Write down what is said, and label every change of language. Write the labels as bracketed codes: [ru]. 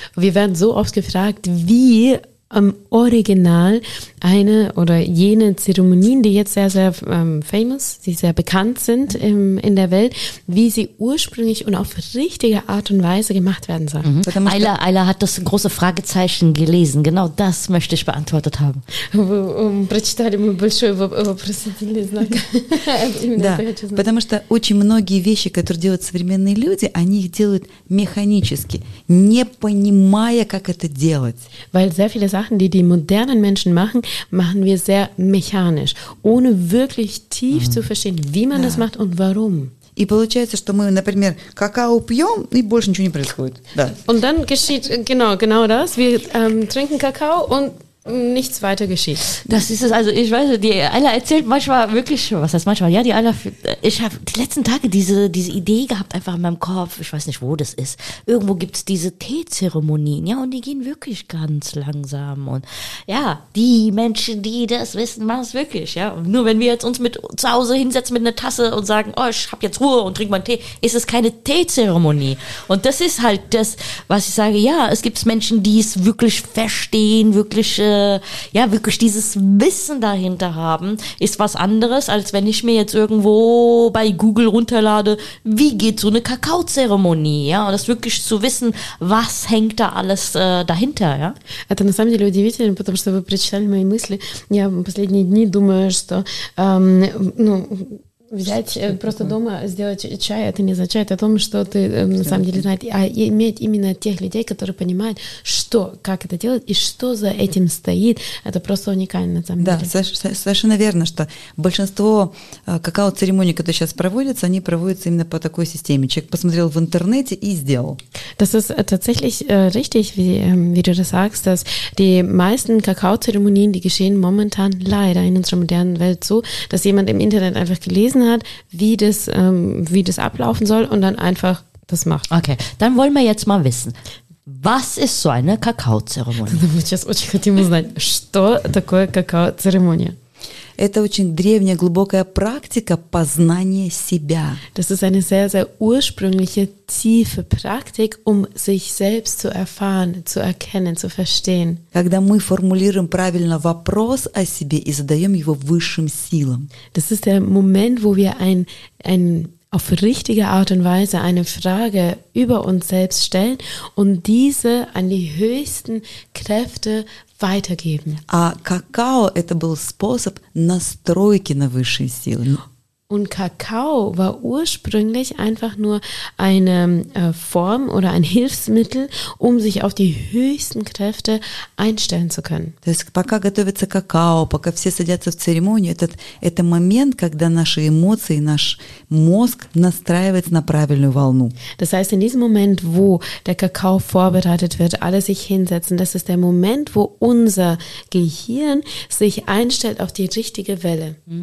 [de] Wir werden so oft gefragt, wie original eine oder jene Zeremonien, die jetzt sehr, sehr famous, die sehr bekannt sind in der Welt, wie sie ursprünglich und auf richtige Art und Weise gemacht werden sollen. Mhm. Ayla hat das große Fragezeichen gelesen. Genau das möchte ich beantwortet haben. [ru] Прочитали мы большой вопрос, не знаю. Да, потому что очень многие вещи, которые делают современные люди, они их делают механически, не понимая, как это делать. [de] Weil sehr viele Sachen, die die modernen Menschen machen, machen wir sehr mechanisch, ohne wirklich tief zu verstehen, wie man das macht und warum. [ru] И получается, что мы, например, какао пьем, и больше ничего не происходит. Да. [de] Und dann geschieht genau das. Wir trinken Kakao und nichts weiter geschieht. Das ist es, also ich weiß, die Ayla erzählt manchmal wirklich, was heißt manchmal, ja, die Ayla, ich habe die letzten Tage diese Idee gehabt, einfach in meinem Kopf, ich weiß nicht, wo das ist. Irgendwo gibt es diese Teezeremonien, ja, und die gehen wirklich ganz langsam und ja, die Menschen, die das wissen, machen es wirklich, ja. Und nur wenn wir jetzt uns mit zu Hause hinsetzen mit einer Tasse und sagen, oh, ich habe jetzt Ruhe und trinke meinen Tee, ist es keine Teezeremonie. Und das ist halt das, was ich sage, ja, es gibt Menschen, die es wirklich verstehen, wirklich ja, wirklich dieses Wissen dahinter haben, ist was anderes, als wenn ich mir jetzt irgendwo bei Google runterlade, wie geht so eine Kakao-Zeremonie, ja, und das wirklich zu wissen, was hängt da alles dahinter, ja. [ru] Это на самом деле удивительно, потому что вы прочитали мои мысли. Я последние дни думаю, что, ну, взять просто дома, сделать чай, это не означает о том, что ты на самом деле знаешь, а иметь именно тех людей, которые понимают, что, как это делать и что за этим стоит, это просто уникально на самом деле. Да, совершенно верно, что большинство какао-церемоний, которые сейчас проводятся, они проводятся именно по такой системе. Человек посмотрел в интернете и сделал. [de] Das ist tatsächlich richtig, wie du das sagst, dass die meisten Kakao-Zeremonien, die geschehen momentan leider in unserer modernen Welt so, dass jemand im Internet einfach gelesen hat, wie das ablaufen soll und dann einfach das macht. Okay, dann wollen wir jetzt mal wissen, was ist so eine Kakao-Zeremonie? [ru] Сейчас очень хотим узнать, что такое Kakao-Zeremonie? Это очень древняя, глубокая практика познания себя. [de] Das ist eine sehr, sehr ursprüngliche, tiefe Praktik, um sich selbst zu erfahren, zu erkennen, zu verstehen. [ru] Когда мы формулируем правильно вопрос о себе и задаем его высшим силам. [de] Das ist der Moment, wo wir ein auf richtige Art und Weise eine Frage über uns selbst stellen und diese an die höchsten Kräfte weitergeben. [ru] А какао – это был способ настройки на высшие силы. [de] Und Kakao war ursprünglich einfach nur eine Form oder ein Hilfsmittel, um sich auf die höchsten Kräfte einstellen zu können. [ru] То есть пока готовится какао, пока все садятся в церемонию, это момент, когда наши эмоции, наш мозг настраивается на правильную волну. [de] Das heißt, in diesem Moment, wo der Kakao vorbereitet wird, alle sich hinsetzen, das ist der Moment, wo unser Gehirn sich einstellt auf die richtige Welle.